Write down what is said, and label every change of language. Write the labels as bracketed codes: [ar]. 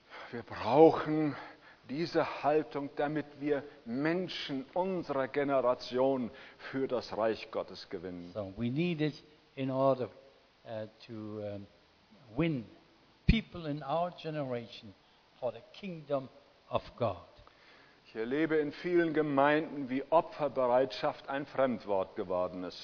[de] Wir brauchen diese Haltung, damit wir Menschen unserer Generation für das Reich Gottes gewinnen. [en] So we need it in order to win people in our generation for the kingdom of God. [de] Ich erlebe in vielen Gemeinden, wie Opferbereitschaft ein Fremdwort geworden ist.